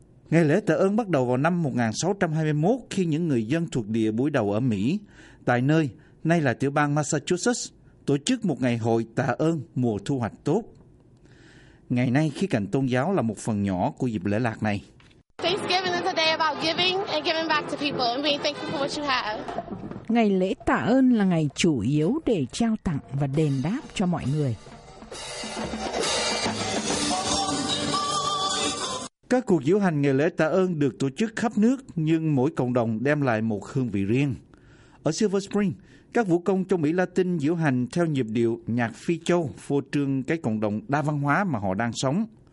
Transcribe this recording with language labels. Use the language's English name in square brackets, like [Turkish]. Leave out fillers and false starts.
[Vietnamese] Ngày lễ tạ ơn bắt đầu vào năm 1621 khi những người dân thuộc địa buổi đầu ở Mỹ, tại nơi nay là tiểu bang Massachusetts, tổ chức một ngày hội tạ ơn mùa thu hoạch tốt. Ngày nay khía cạnh tôn giáo là một phần nhỏ của dịp lễ lạc này. [English] Thanksgiving is a day about giving and giving back to people and being thankful for what you have. [Vietnamese] Ngày lễ tạ ơn là ngày chủ yếu để trao tặng và đền đáp cho mọi người. Các cuộc diễu hành ngày lễ tạ ơn được tổ chức khắp nước, nhưng mỗi cộng đồng đem lại một hương vị riêng. Ở Silver Spring, các vũ công trong Mỹ Latin diễu hành theo nhịp điệu nhạc Phi Châu, phô trương cái cộng đồng đa văn hóa mà họ đang sống.